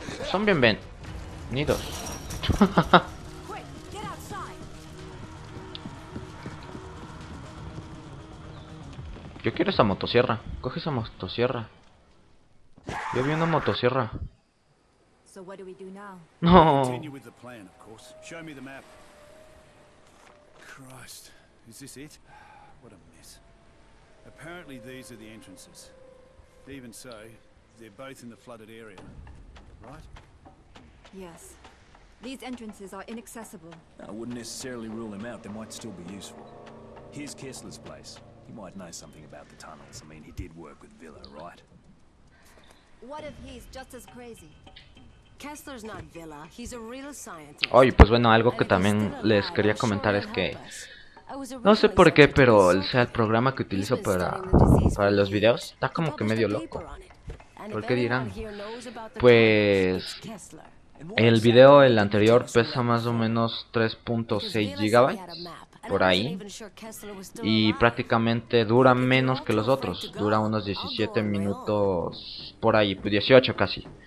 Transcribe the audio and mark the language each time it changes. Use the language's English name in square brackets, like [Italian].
[Spanish] Son bienvenidos. Yo quiero esa motosierra. Coge esa motosierra. Yo vi una motosierra. [English] So what do we do now? No. Continue with the plan, of course. Show me the map. Christ, is this it? What a mess. Apparently these are the entrances. Even so, they're both in the flooded area, right? Yes. These entrances are inaccessible. I wouldn't necessarily rule them out. They might still be useful. Here's Kessler's place. He might know something about the tunnels. I mean, he did work with Villa, right? What if he's just as crazy? Kessler's not Villa. He's a real scientist. [Spanish] Oye, pues bueno, algo que también les quería comentar es que no sé por qué, pero el programa que utilizo para los videos está como que medio loco. ¿Por qué dirán? Pues el video, el anterior, pesa más o menos 3.6 GB, por ahí, y prácticamente dura menos que los otros, dura unos 17 minutos, por ahí, 18 casi.